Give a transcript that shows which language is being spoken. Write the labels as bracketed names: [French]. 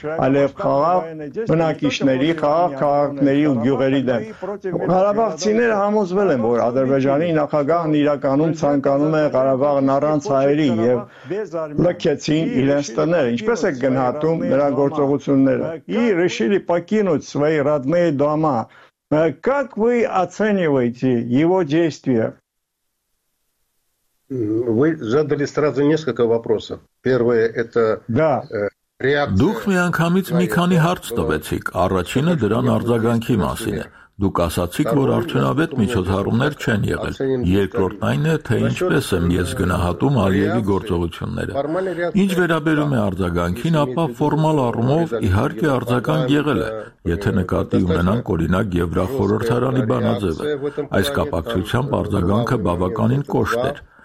[Armenian] այլև խաղաղ բնակիչների, խաղաղ քաղաքների ու գյուղերի դեմ։ Ղարաբաղցիները համոզվել են, որ Ադրբեջանի նախագահն իրականում ցանկանում է Ղարաբաղն առանց հայերի, եւ լքեցին իրենց տները։ Ինչպես է գնահատում նրա գործողությունները։ [Russian] И решили покинуть свои родные дома. Как вы оцениваете его действия? Вы задали сразу несколько вопросов. Первое – это [Armenian] реакция… Դուք մի անգամից մի քանի հարց տվեցիք, առաջինը դրան արձագանքի մասին է։ Դուք ասացիք, որ արդյունավետ միջոցառումներ չեն եղել։ Երկրորդն այն է, թե ինչպես եմ ես գնահատում Ալիևի գործողությունները։ Ինչ վերաբերում է արձագանքին, ապա ֆորմալ առումով իհարկե արձագանք եղել է, եթե նկատի ունենանք օրինակ Եվրախորհրդարանի բանաձևը։ Այս կապակցությամբ արձագանքը բավականին կոշտ էր։